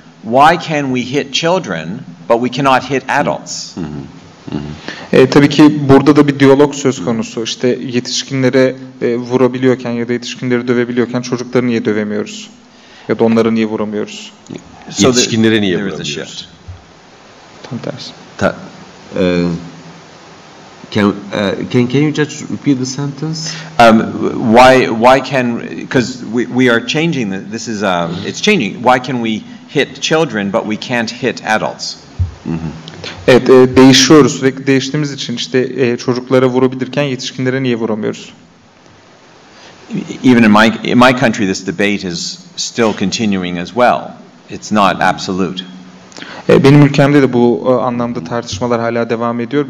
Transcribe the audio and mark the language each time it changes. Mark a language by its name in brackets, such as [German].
[English] Why can we hit children, but we cannot hit adults? [Turkish] Tabii ki burada da bir diyalog söz konusu. İşte yetişkinlere vurabiliyorken ya da yetişkinleri dövebiliyorken çocukları niye dövemiyoruz? Ya da onları niye vuramıyoruz? Yetişkinlere niye vuramıyoruz? Tam tersi. [English] Can you just repeat the sentence? Why can we, because we are changing, this is changing. Why can we hit children but we can't hit adults? [Turkish] Mm-hmm. Evet, değişiyoruz. Sürekli değiştiğimiz için işte çocuklara vurabilirken yetişkinlere niye vuramıyoruz? [English] Even in my country this debate is still continuing as well. It's not absolute. [Turkish] Benim ülkemde de bu anlamda tartışmalar hala devam ediyor.